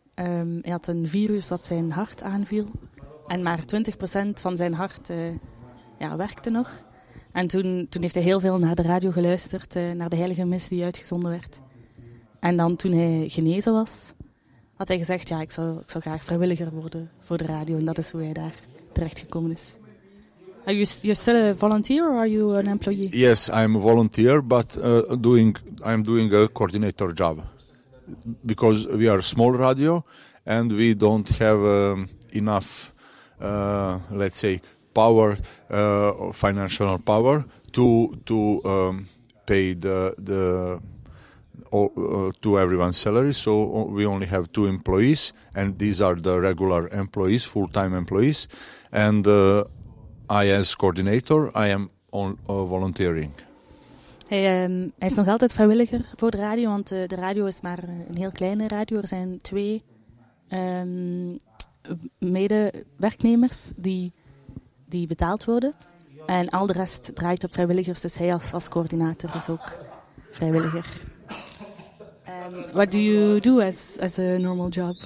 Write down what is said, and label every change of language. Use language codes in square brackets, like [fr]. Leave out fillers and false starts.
[nl] Hij had een virus dat zijn hart aanviel. En maar 20% van zijn hart werkte nog. En toen heeft hij heel veel naar de radio geluisterd, naar de heilige mis die uitgezonden werd. En dan toen hij genezen was... had hij gezegd, ik zou graag vrijwilliger worden voor de radio. En dat is hoe hij daar terechtgekomen is. [en] Are you still a volunteer or are you an employee? Yes, I'm a volunteer, but I'm doing a coordinator job. Because we are a small radio and we don't have enough, let's say, power, financial power, to pay the to everyone's salary, so we only have two employees, and these are the regular employees, full-time employees, and I as coordinator, I am volunteering. [nl] Hij is nog altijd vrijwilliger voor de radio, want de radio is maar een heel kleine radio. Er zijn twee medewerknemers die betaald worden, en al de rest draait op vrijwilligers, dus hij als coördinator is ook vrijwilliger. [en] What do you do as a normal job?